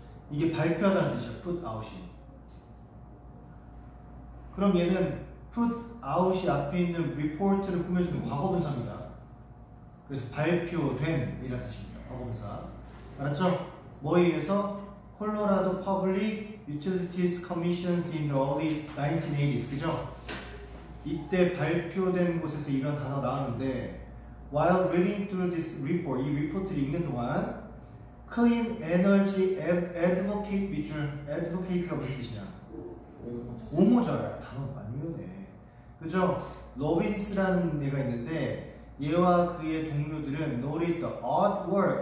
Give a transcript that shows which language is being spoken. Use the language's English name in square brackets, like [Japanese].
[Korean] 이게 발표하다는 뜻이야, put out이. 그럼 얘는 put out이 앞에 있는 report를 꾸며주는 과거분사입니다. 그래서 발표된 이라는 뜻입니다. 과거분사. 알았죠? 뭐에 의해서 [English] 콜로라도 public utilities commissions in the early 1980s, 그죠? [Korean] 이때 발표된 곳에서 이런 단어 나왔는데, [English] while reading through this report, [Korean] 이 리포트를 읽는 동안 [English] clean energy advocate [Korean] 밑줄 advocate가 무슨 뜻이냐? 오모자야. 단어 많이 외우네. 그죠? 로빈스라는 애가 있는데, 얘와 그의 동료들은 [English] noted the odd word.